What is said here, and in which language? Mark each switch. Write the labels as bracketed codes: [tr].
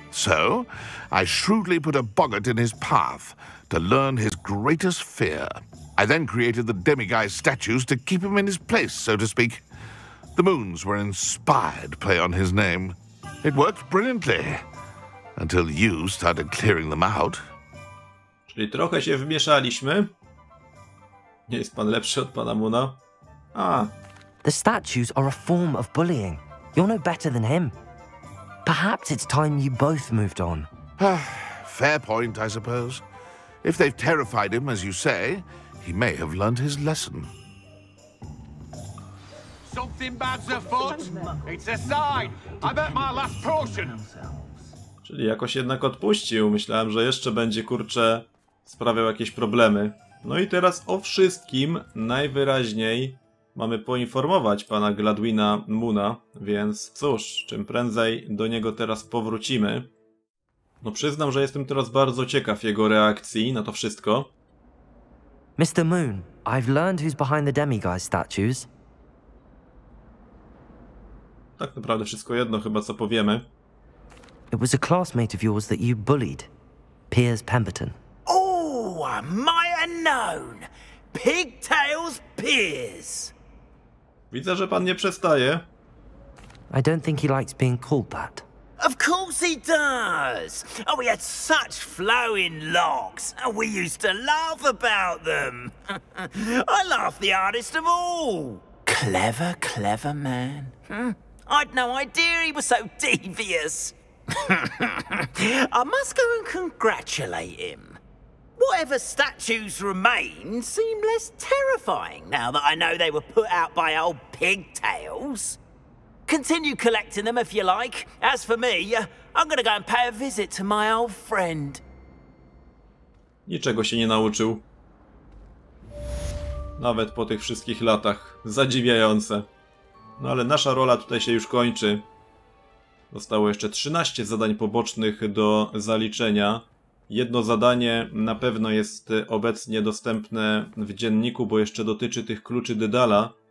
[en] So, I shrewdly put a boggart in his path to learn his greatest fear. I then created the demiguy statues to keep him in his place, so to speak. The Moons were inspired play on his name. It worked brilliantly. Until you started clearing them out. [pl] Czyli trochę się wymieszaliśmy. Nie jest pan lepszy od pana Moona. A. [en] The statues are a form of bullying. You're no better than him. Perhaps it's time you both moved on. Fair point, I suppose. If they've terrified him, as you say, he may have learned his lesson. Something bad's afoot. It's a sign. I bet my last portion. [pl] Czyli jakoś jednak odpuścił. Myślałem, że jeszcze będzie, kurczę, sprawiał jakieś problemy. No i teraz o wszystkim najwyraźniej mamy poinformować pana Gladwina Moona, więc cóż, czym prędzej do niego teraz powrócimy. No przyznam, że jestem teraz bardzo ciekaw jego reakcji na to wszystko. [en] Mr. Moon, I've learned who's behind the demiguy statues. [pl] Tak naprawdę wszystko jedno chyba, co powiemy. [en] It was a classmate of yours that you bullied. Piers Pemberton. Oh, my unknown! Pigtails Piers! [pl] Widzę, że pan nie przestaje. [en] I don't think he likes being called that. Of course he does! Oh, he had such flowing locks. Oh, we used to laugh about them. I laughed the hardest of all. Clever, clever man. I'd no idea he was so devious. I must go and congratulate him. Whatever statues remain seem less terrifying now that I know they were put out by old Pigtails. Continue collecting them if you like. As for me, I'm gonna go and pay a visit to my old friend. [pl] Niczego się nie nauczył. Nawet po tych wszystkich latach. Zadziwiające. No ale nasza rola tutaj się już kończy. Zostało jeszcze 13 zadań pobocznych do zaliczenia. Jedno zadanie na pewno jest obecnie dostępne w dzienniku, bo jeszcze dotyczy tych kluczy Dedala.